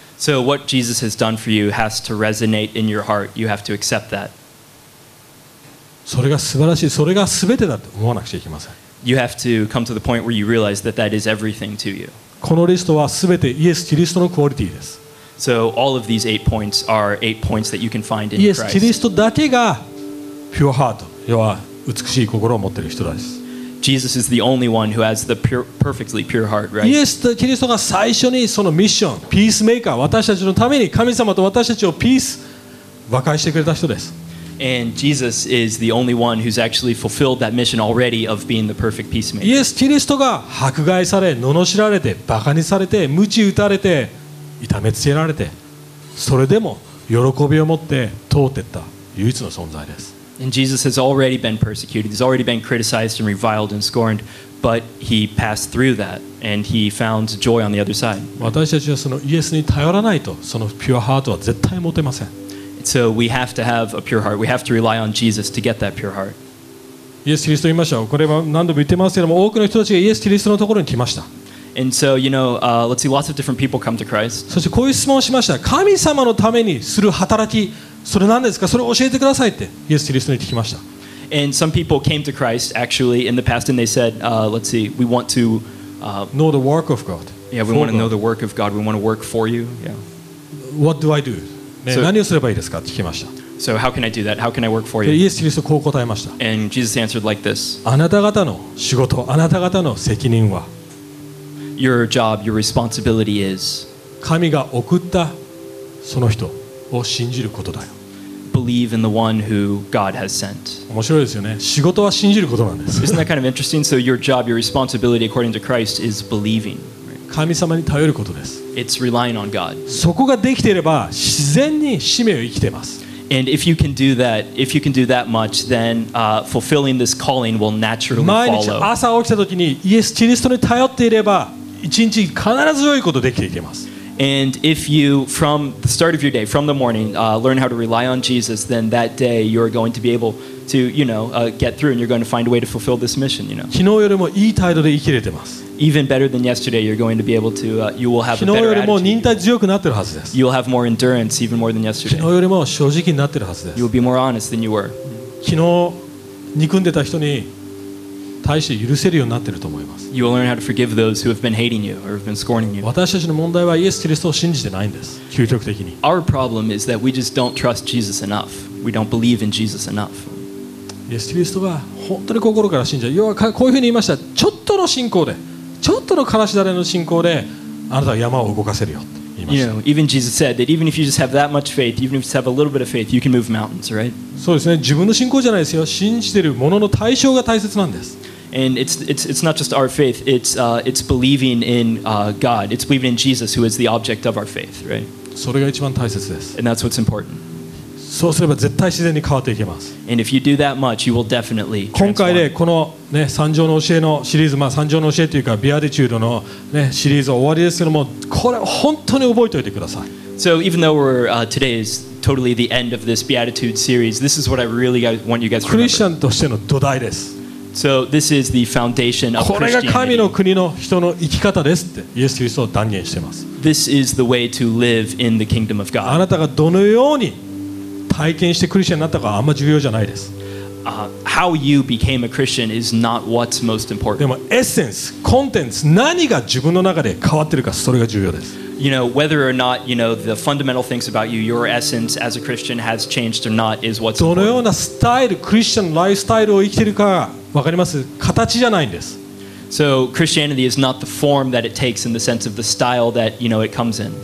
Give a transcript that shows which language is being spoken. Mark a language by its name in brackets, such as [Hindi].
[English] So what Jesus has done for you has to resonate in your heart. You have to accept that. [Japanese] それが素晴らしい、それが全てだと思わなくちゃいけません。 [English] You have to come to the point where you realize that that is everything to you. [Japanese] このリストは全てイエス・キリストのクオリティです。 [English] So all of these eight points are eight points that you can find in [Japanese] Christ. イエス・キリストだけがピュアハート、要は美しい心を持っている人です。 [English] Jesus is the only one who has the pure, perfectly pure heart, right? [Japanese] イエス・キリストが最初にそのミッション、ピースメーカー、私たちのために神様と私たちをピース、和解してくれた人です。 [English] And Jesus is the only one who's actually fulfilled that mission already of being the perfect peacemaker. [Japanese] イエス・キリストが迫害され、罵られて、バカにされて、鞭打たれて、痛めつけられて、それでも喜びを持って通ってった唯一の存在です。 [English] And Jesus has already been persecuted. He's already been criticized and reviled and scorned, but he passed through that and he found joy on the other side. [Japanese] 私たちはそのイエスに頼らないと、そのピュアハートは絶対持てません。 [English] So we have to have a pure heart. We have to rely on Jesus to get that pure heart. Yes, [Japanese] Christ言いましょう。これは何度も言ってますけども、多くの人たちがイエス・キリストのところに来ました。 [English] And so, you know, let's see, lots of different people come to Christ. [Japanese] そしてこういう質問をしました。神様のためにする働き、それ何ですか？それを教えてくださいってイエス・キリストに聞きました。 [English] And some people came to Christ actually in the past and they said, let's see, we want to know the work of God. Yeah, we want to know the work of God. We want to work for you. Yeah. What do I do? [Japanese] ね、 [English] so, [Japanese] 何をすればいいですかって聞きました。 [English] So how can I do that? How can I work for you? [Japanese] イエス・キリストこう答えました。 [English] And Jesus answered like this. [Japanese] あなた方の仕事、あなた方の責任は、 [English] Your job, your responsibility is [Japanese] 神が送ったその人を信じることだよ。 [English] Believe in the one who God has sent. [Japanese] 面白いですよね。仕事は信じることなんです。 [English] Isn't that kind of interesting? So your job, your responsibility according to Christ is believing. [Japanese] 神様に頼ることです。 [English] It's relying on God. [Japanese] そこができていれば自然に使命を生きています。 [English] And if you can do that, if you can do that much, then fulfilling this calling will naturally follow. [Japanese] 毎日朝起きた時にイエス・キリストに頼っていれば一日必ず良いことできていきます。 [English] And if you, from the start of your day, from the morning, learn how to rely on Jesus, then that day you're going to be able to, you know, get through and you're going to find a way to fulfill this mission, you know. [Japanese] 昨日よりもいい態度で生きれてます。 [English] Even better than yesterday, you're going to be able to, you will have a better attitude. [Japanese] 昨日よりも忍耐強くなってるはずです。 [English] You'll have more endurance even more than yesterday. [Japanese] 昨日よりも正直になってるはずです。 [English] You'll be more honest than you were. [Japanese] 昨日憎んでた人に対して許せるようになっていると思います。 [English] You will learn how to forgive those who have been hating you or have been scorning you. [Japanese] 私たちの問題はイエス・キリストを信じてないんです。究極的に。 [English] Our problem is that we just don't trust Jesus enough. We don't believe in Jesus enough. [Japanese] イエス・キリストは本当に心から信じる。要はこういうふうに言いました。ちょっとの信仰で、ちょっとのからしだれの信仰で、あなたは山を動かせるよ。 [English] You know, even Jesus said that even if you just have that much faith, even if you just have a little bit of faith, you can move mountains, right? [Japanese] そうですね。自分の信仰じゃないですよ。信じてるものの対象が大切なんです。 [English] And it's not just our faith. It's believing in God. It's believing in Jesus, who is the object of our faith, right? [Japanese] それが一番大切です。 [English] And that's what's important. [Japanese] そうすれば絶対自然に変わっていきます。 [English] And if you do that much, you will definitely transform. [Japanese] 今回でこのね、三条の教えのシリーズ、まあ三条の教えというかビアティチュードのね、シリーズは終わりですけども、これ本当に覚えておいてください。 [English] So even though we're today is totally the end of this Beatitude series, this is what I really want you guys to remember. [Japanese] クリスチャンとしての土台です。 [English] So this is the foundation of Christianity. [Japanese] これが神の国の人の生き方ですってイエス・キリストは断言しています。 [English] This is the way to live in the kingdom of God. [Japanese] あなたがどのように体験してクリスチャンになったかあんま重要じゃないです。 [English] How you became a Christian is not what's most important. [Japanese] でもエッセンス、コンテンツ、何が自分の中で変わってるかそれが重要です。 [English] You know, whether or not, you know, the fundamental things about you, your essence as a Christian has changed or not is what's important. [Japanese] どのようなスタイル、クリスチャンライフスタイルを生きてるか分かります？形じゃないんです。 [English] So Christianity is not the form that it takes in the sense of the style that, you know, it comes in.